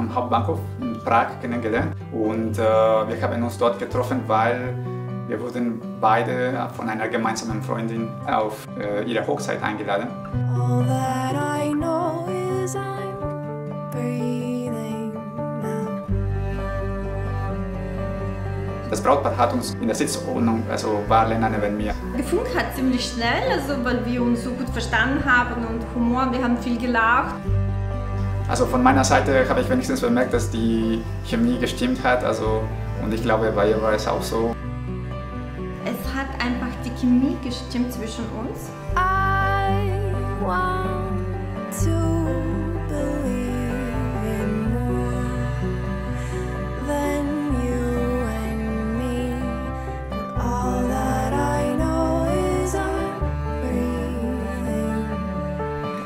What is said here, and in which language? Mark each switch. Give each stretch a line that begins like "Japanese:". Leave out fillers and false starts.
German: Bahnhof in Prag kennengelernt und wir haben uns dort getroffen, weil wir wurden beide von einer gemeinsamen Freundin auf ihre Hochzeit eingeladen.
English: All that I know is I'm breathing now.
German: Das Brautpaar hat uns in der Sitzordnung, also war Lena neben mir. Gefunkt hat ziemlich schnell, also weil wir uns so gut verstanden haben und Humor, wir haben viel gelacht. Also von meiner Seite habe ich wenigstens bemerkt, dass die Chemie gestimmt hat, also und ich glaube, bei ihr war es auch so. Es hat einfach die Chemie gestimmt zwischen uns.
English: I want to believe in more than you and me. All that I know is I'm breathing.